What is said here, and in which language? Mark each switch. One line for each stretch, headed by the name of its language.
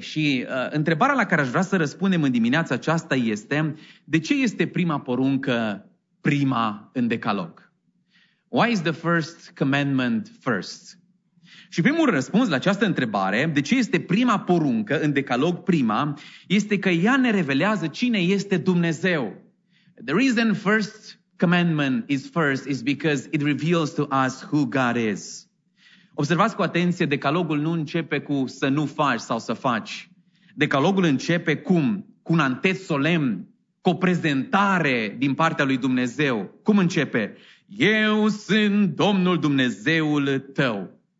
Romanian: Și întrebarea la care aș vrea să răspundem în dimineața aceasta este, de ce este prima poruncă prima în decalog?
English: Why is the first commandment first?
Romanian: Și primul răspuns la această întrebare, de ce este prima poruncă în decalog prima, este că ea ne revelează cine este Dumnezeu.
English: The reason first commandment is first is because it reveals to us who God is.
Romanian: Observați cu atenție, decalogul nu începe cu să nu faci sau să faci. Decalogul începe cum? Cu un antet solemn, cu o prezentare din partea lui Dumnezeu. Cum începe? Eu sunt Domnul Dumnezeul tău.